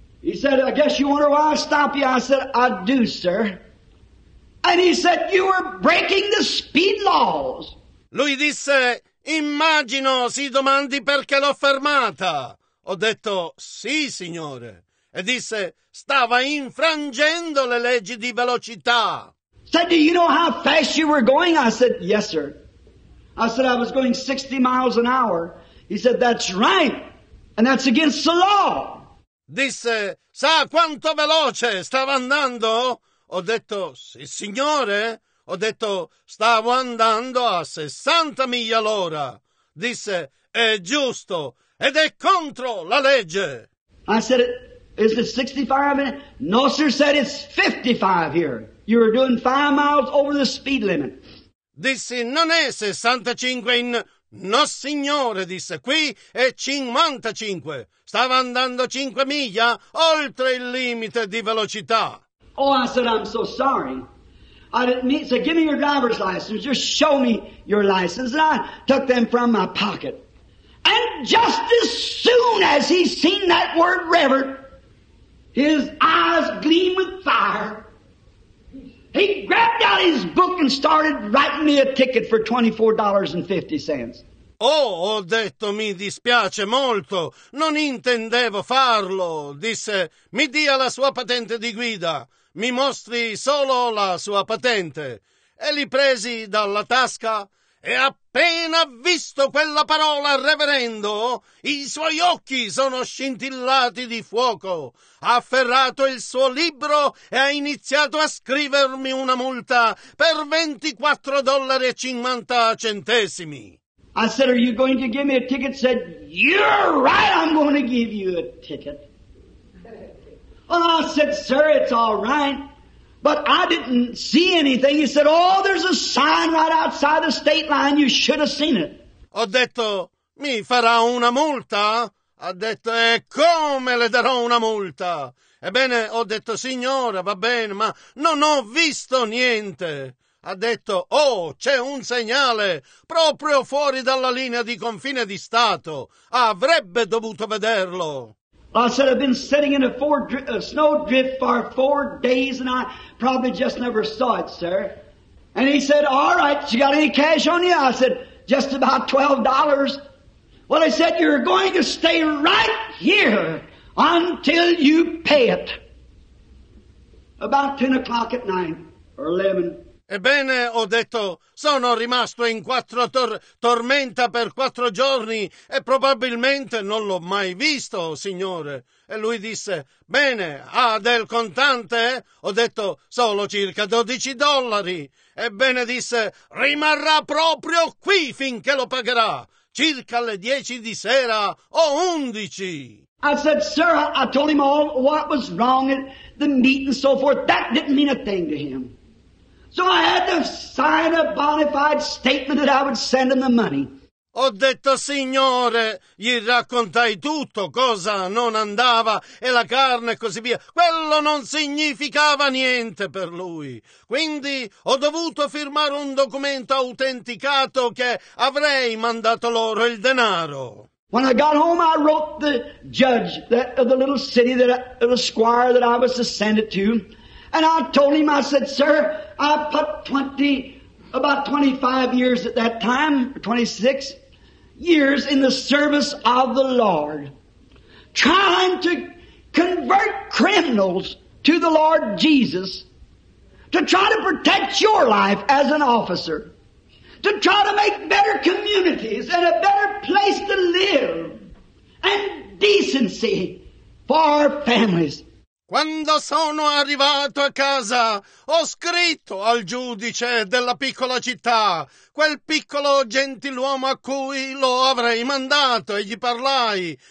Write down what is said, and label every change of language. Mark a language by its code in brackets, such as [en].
[en] He said, I guess you wonder why I stop you. I said, I do, sir. And he said, you were breaking the speed laws. [it] Lui disse, immagino si domandi perché l'ho fermata. Ho detto, sì, signore. E disse, stava infrangendo le leggi di velocità. [en] Said, do you know how fast you were going? I said, yes, sir. I said, I was going 60 miles an hour. He said, that's right. And that's against the law. [it] Disse, sa quanto veloce stava andando? Ho detto, sì, signore. Ho detto, stavo andando a 60 miglia all'ora. Disse, è giusto ed è contro la legge. [en] I said, is it 65? No, sir, said it's 55 here. You were doing 5 miles over the speed limit. [it] Dissi, non è 65 in... No, signore, disse, qui è 55. Stava andando 5 miglia oltre il limite di velocità. [en] Oh, I said, I'm so sorry. I didn't mean, so give me your driver's license. Just show me your license. And I took them from my pocket. And just as soon as he seen that word reverend, his eyes gleamed with fire. He grabbed out his book and started writing me a ticket for $24.50. [it] Oh, ho detto, mi dispiace molto. Non intendevo farlo. Disse, mi dia la sua patente di guida. Mi mostri solo la sua patente. E li presi dalla tasca e appena visto quella parola reverendo, i suoi occhi sono scintillati di fuoco. Ha afferrato il suo libro e ha iniziato a scrivermi una multa per $24.50. [en] I said, are you going to give me a ticket? Said, you're right, I'm going to give you a ticket. Well, I said, sir, it's all right, but I didn't see anything. He said, oh, there's a sign right outside the state line. You should have seen it. [it] Ho detto, mi farà una multa? Ha detto, e come le darò una multa? Ebbene, ho detto, signora, va bene, ma non ho visto niente. Ha detto, oh, c'è un segnale proprio fuori dalla linea di confine di Stato. Avrebbe dovuto vederlo. [en] I said, I've been sitting in a snow drift for 4 days and I probably just never saw it, sir. And he said, all right, you got any cash on you? I said, just about $12. Well, he said, you're going to stay right here until you pay it. About 10 o'clock at night, or 11. [it] Ebbene, ho detto, sono rimasto in quattro tormenta per 4 giorni e probabilmente non l'ho mai visto, signore. E lui disse, bene, ha del contante? Ho detto, solo circa $12. Ebbene, disse, rimarrà proprio qui finché lo pagherà, circa le 10 di sera o 11. [en] I said, sir, I told him all what was wrong, the meat and so forth. That didn't mean a thing to him. So I had to sign a bona fide statement that I would send him the money. [it] Ho detto, signore, gli raccontai tutto, cosa non andava, e la carne e così via. Quello non significava niente per lui. Quindi ho dovuto firmare un documento autenticato che avrei mandato loro il denaro. [en] When I got home, I wrote the judge of the little city, the squire that I was to send it to. And I told him, I said, sir, I put about 25 years at that time, 26 years in the service of the Lord, trying to convert criminals to the Lord Jesus, to try to protect your life as an officer, to try to make better communities and a better place to live and decency for our families. [it] Quando sono arrivato a casa, ho scritto al giudice della piccola città, quel piccolo gentiluomo a cui lo avrei mandato, e gli parlai.